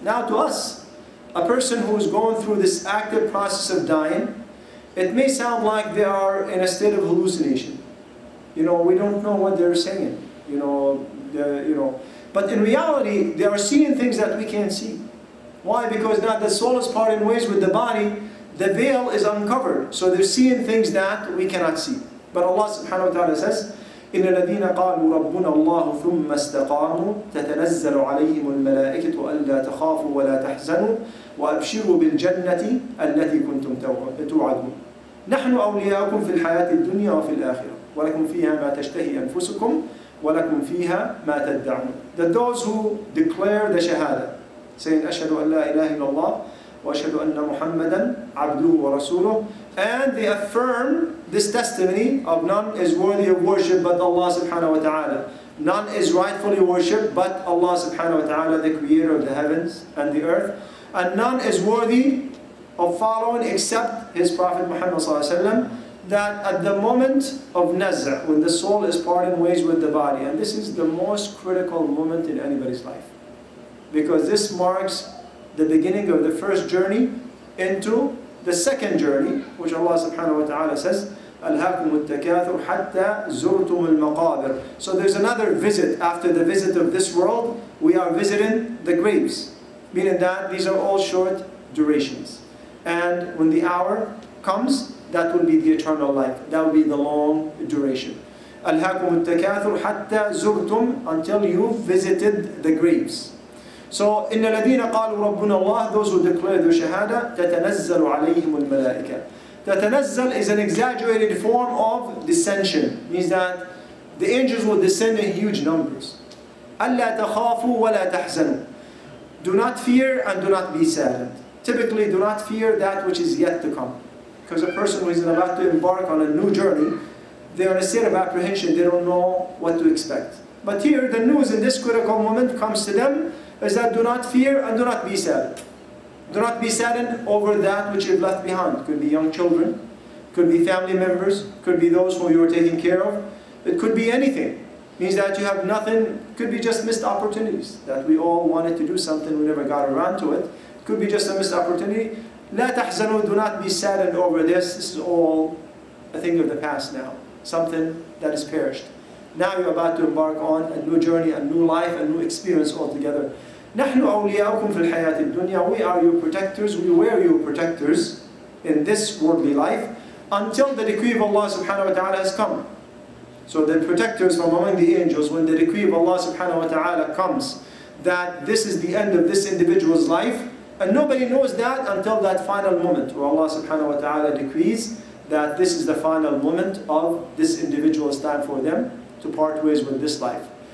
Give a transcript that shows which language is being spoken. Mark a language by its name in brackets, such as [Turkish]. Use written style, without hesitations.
[English] Now to us, a person who is going through this active process of dying, it may sound like they are in a state of hallucination. You know, we don't know what they're saying. You know. But in reality, they are seeing things that we can't see. Why? Because now the soul is parting ways with the body, the veil is uncovered. So they're seeing things that we cannot see. But Allah subhanahu wa ta'ala says, [Arabic] إن الذين قالوا ربنا الله ثم استقاموا تتنزل عليهم الملائكة ألا تخافوا ولا تحزنوا وأبشروا بالجنة التي كنتم توعدون نحن أولياؤكم في الحياة الدنيا وفي الآخرة ولكم فيها ما تشتهي أنفسكم ولكم فيها ما تدعون. [English] That those who declare the shahada, saying [Arabic] أشهد أن لا إله إلا الله وأشهد أن محمدا عبده ورسوله, [English] and they affirm this testimony of none is worthy of worship but Allah subhanahu wa ta'ala. None is rightfully worshipped but Allah subhanahu wa ta'ala, the creator of the heavens and the earth. And none is worthy of following except his Prophet Muhammad sallallahu alayhi wa sallam. that at the moment of nazr, when the soul is parting ways with the body, and this is the most critical moment in anybody's life, because this marks the beginning of the first journey into the second journey, which Allah subhanahu wa ta'ala says, [Arabic] أَلْهَاكُمُ التَّكَاثُرُ حَتَّى زُرْتُمُ الْمَقَابِرُ. [English] So there's another visit. After the visit of this world, we are visiting the graves. Meaning that these are all short durations. And when the hour comes, that will be the eternal life. That will be the long duration. [Arabic] أَلْهَاكُمُ التَّكَاثُرُ حَتَّى زُرْتُمُ. [English] Until you've visited the graves. So, [Arabic] إِنَّ الَّذِينَ قَالُوا رَبُّنَ اللَّهِ, [English] those who declare their shahada, [Arabic] تَتَنَزَّلُ عَلَيْهِمُ الْمَلَائِكَةِ. [English] تَتَنَزَّلْ is an exaggerated form of descension. It means that the angels will descend in huge numbers. [Arabic] أَلَّا تَخَافُوا وَلَا تَحْزَنُوا. [English] Do not fear and do not be saddened. Typically, do not fear that which is yet to come. Because a person who is about to embark on a new journey, they are in a state of apprehension. They don't know what to expect. But here, the news in this critical moment comes to them is that do not fear and do not be saddened. Do not be saddened over that which you've left behind. It could be young children, could be family members, could be those who you are taking care of. It could be anything. It means that you have nothing, could be just missed opportunities, that we all wanted to do something, we never got around to it. It could be just a missed opportunity. [Arabic] لا تحزنوا, [English] do not be saddened over this. This is all a thing of the past now. Something that has perished. Now you're about to embark on a new journey, a new life, a new experience altogether. [Arabic] نحن أولياؤكم في الحياة الدنيا. [English] We are your protectors. We were your protectors in this worldly life until the decree of Allah subhanahu wa ta'ala has come. So the protectors from among the angels, when the decree of Allah subhanahu wa ta'ala comes that this is the end of this individual's life, and nobody knows that until that final moment where Allah subhanahu wa ta'ala decrees that this is the final moment of this individual's time for them to part ways with this life.